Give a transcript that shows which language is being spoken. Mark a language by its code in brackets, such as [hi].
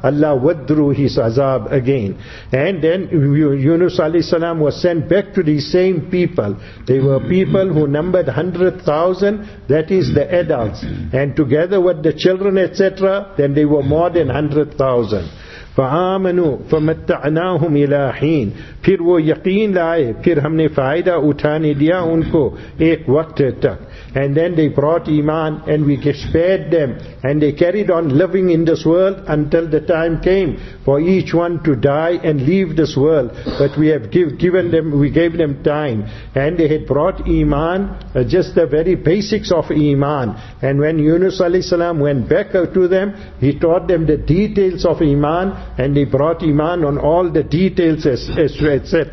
[en] Allah withdrew his azab again. And then Yunus alayhi salam was sent back to these same people. They were people who numbered 100,000, that is the adults, and together with the children, etc., then they were more than 100,000. [ar] فآمنوا فمتعناهم إلى حين [ur] پھر وہ یقین لائے پھر ہم نے فائدہ اٹھانے دیا ان کو ایک وقت تک. [en] And then they brought iman and we spared them and they carried on living in this world until the time came for each one to die and leave this world, but we have gave them time. And they had brought iman, just the very basics of iman, and when Yunus alayhi salam went back to them, he taught them the details of iman, and they brought iman on all the details as etc.